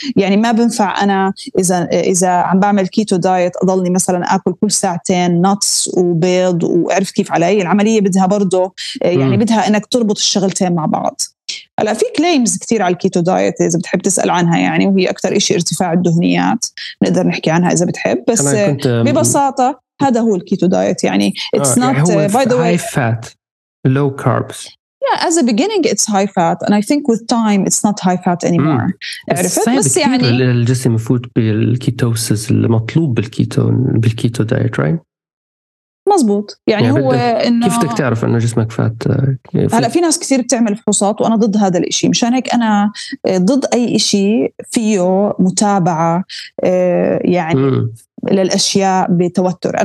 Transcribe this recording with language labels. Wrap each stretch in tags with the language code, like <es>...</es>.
<ar>يعني ما بنفع أنا إذا عم بعمل كيتو دايت أضلني مثلا أكل كل ساعتين نتس وبيض، وأعرف كيف علي العملية بدها برضو يعني بدها أنك تربط الشغلتين مع بعض. هلا في كليمز كتير على الكيتو دايت إذا بتحب تسأل عنها، يعني وهي أكتر إشي ارتفاع الدهنيات نقدر نحكي عنها إذا بتحب، بس ببساطة هذا هو الكيتو دايت. يعني</ar> <en>it's not by the way high fat low carbs. Yeah, as a beginning it's high fat and I think with time it's not high fat anymore.</en> <ar>عرفت؟ بس يعني الجسم يفوت بالكيتوسيس المطلوب بالكيتو دايت، right؟ مظبوط. يعني هو انه كيف بدك تعرف انه جسمك فات؟ هلا في ناس كثير بتعمل فحوصات وانا ضد هذا الاشي، مشان هيك انا ضد اي اشي فيه متابعه يعني للاشياء بتوتر.</ar>